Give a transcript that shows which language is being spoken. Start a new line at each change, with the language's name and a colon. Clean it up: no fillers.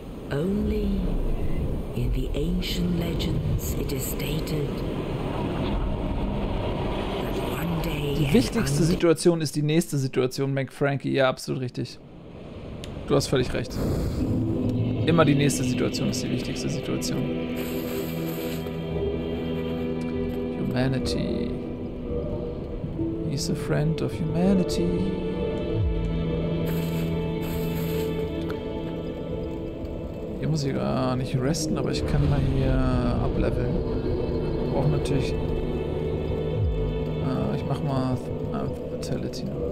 English: Only in the ancient legends it is stated.
German: Die wichtigste Situation ist die nächste Situation, McFrankie. Ja, absolut richtig. Du hast völlig recht. Immer die nächste Situation ist die wichtigste Situation.
English: Humanity. He's a friend of humanity.
German: Hier muss ich gar nicht resten, aber ich kann mal hier upleveln. Ich brauche natürlich... Mach mal Vitality.